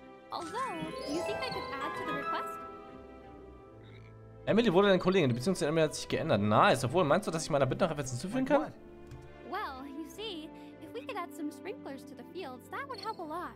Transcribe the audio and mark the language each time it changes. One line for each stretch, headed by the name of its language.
English: Although, do you think I could add to the request?
German: Emily wurde deine Kollegin, beziehungsweise Emily hat sich geändert. Nice, obwohl, meinst du, dass ich meiner Bitte noch etwas hinzufügen kann?
English: Well, you see, if we could add some sprinklers to the fields, that would help a lot.